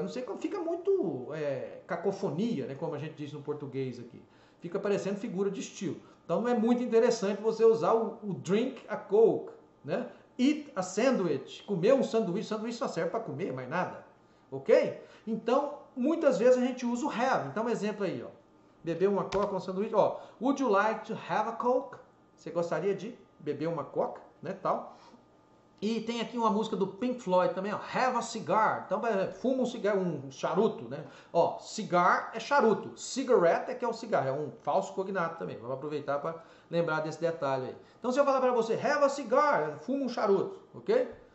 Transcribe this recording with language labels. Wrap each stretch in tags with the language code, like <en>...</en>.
<pt>Não sei, fica muito cacofonia, né? Como a gente diz no português aqui. Fica parecendo figura de estilo. Então, não é muito interessante você usar o</pt> <en>drink a Coke,</en> <pt>né?</pt> <en>Eat a sandwich.</en> <pt>Comer um sanduíche. Sanduíche só serve para comer, mais nada. Ok? Então, muitas vezes a gente usa o have. Então, um exemplo aí, ó. Beber uma Coca, um sanduíche.</pt> <en>Ó, would you like to have a Coke?</en> <pt>Você gostaria de beber uma Coca, né? Tal. E tem aqui uma música do Pink Floyd também, ó.</pt> <en>Have a cigar.</en> <pt>Então, fuma um cigarro, um charuto, né? Ó, cigar é charuto. Cigarette é que é o cigarro. É um falso cognato também. Vamos aproveitar para lembrar desse detalhe aí. Então, se eu falar para você,</pt> <en>have a cigar,</en> <pt>fuma um charuto, ok?</pt>